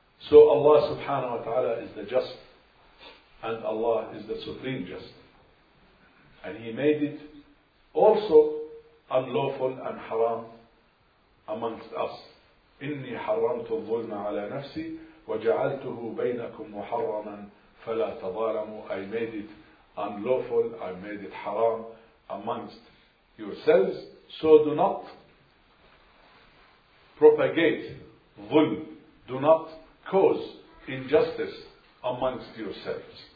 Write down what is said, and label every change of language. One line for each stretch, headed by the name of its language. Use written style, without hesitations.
English: So Allah subhanahu wa ta'ala is the just, and Allah is the supreme just, and He made it also unlawful and haram amongst us.
Arabic: إني حرمت الظلم على نفسي وجعلته بينكم محرما فلا تظالموا.
English: I made it unlawful, I made it haram amongst yourselves, so do not propagate ظلم, do not cause injustice amongst yourselves.